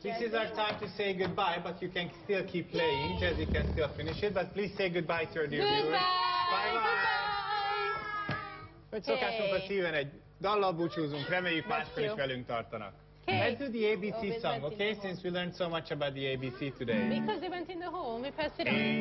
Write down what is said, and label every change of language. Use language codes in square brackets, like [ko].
[en] this is our time to say goodbye, but you can still keep playing. Jazzy can still finish it, but please say goodbye to your dear goodbye. Viewers. Goodbye! Bye-bye! [hu] Hogy szokásunk a szíven egy dallal búcsúzunk, reméljük máskor is velünk tartanak. [en] Hey. Let's do the ABC oh, song, okay? Since we learned so much about the ABC today. Because they went in the hole and we passed it on.